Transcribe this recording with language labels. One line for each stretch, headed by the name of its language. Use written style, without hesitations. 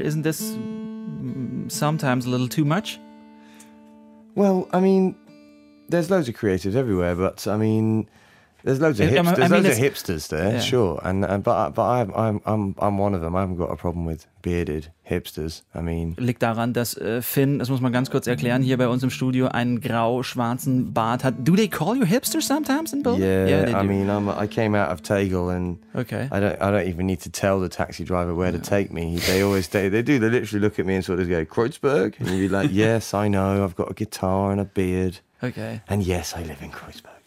English: Isn't this sometimes a little too much? Well, I mean, there's loads of creatives everywhere, but I mean, there's loads of hipsters. Sure, but I'm one of them. I haven't got a problem with bearded hipsters. I mean,
German: liegt daran, dass Finn, das muss man ganz kurz erklären, hier bei uns im Studio einen grau-schwarzen Bart hat.
English: Do they call you hipster sometimes in Berlin? I came out of Tegel, and okay, I don't even need to tell the taxi driver where to take me. They literally look at me and sort of go Kreuzberg, and you'd be like, yes, I know, I've got a guitar and a beard. Okay, and yes, I live in Kreuzberg.